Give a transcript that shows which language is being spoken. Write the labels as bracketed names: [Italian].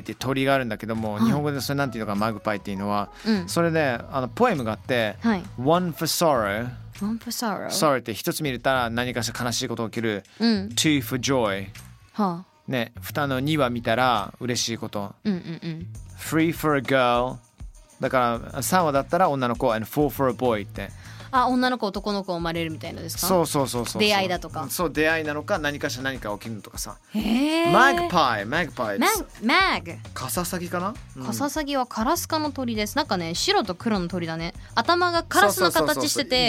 [Japanese] っていう鳥があるんだけども、はい、日本語でそれなんていうのか、マグパイっていうのは、うん、それねポエムがあって、はい、 [English] One for sorrow One for sorrow. [Japanese] Sorry って一つ見れたら何かしら悲しいことが起きる、うん、 [English] Two for joy、 [Japanese] はあね、2の2は見たら嬉しいこと、うんうんうん、 [English] Three for a girl [Japanese] だから3話だったら女の子 [English] And four for a boy [Japanese] って、あ、女の子男の子生まれるみたいなですか。そうそうそうそう、出会いだとか。そう、出会いなのか何かしら何か起きるのとかさ。へー、マグパイ、マグパイ、マグ、カササギかな、うん、カササギはカラス科の鳥です。なんかね、白と黒の鳥だね。頭がカラスの形してて、